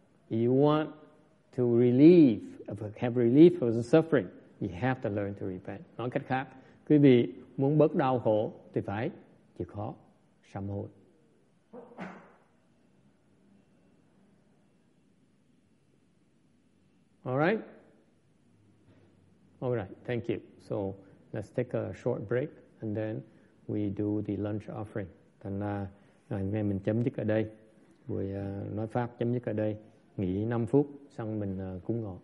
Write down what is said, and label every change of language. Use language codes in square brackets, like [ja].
[en] You want to have relief of the suffering, you have to learn to repent. [vi] Nói cách khác, quý vị muốn bớt đau khổ thì phải chịu khó sám hối. [en] All right. Thank you. So let's take a short break and then we do the lunch offering. [vi] Thành ra anh em mình chấm dứt ở đây. Buổi nói pháp chấm dứt ở đây. Nghỉ 5 phút xong mình cúng ngọ.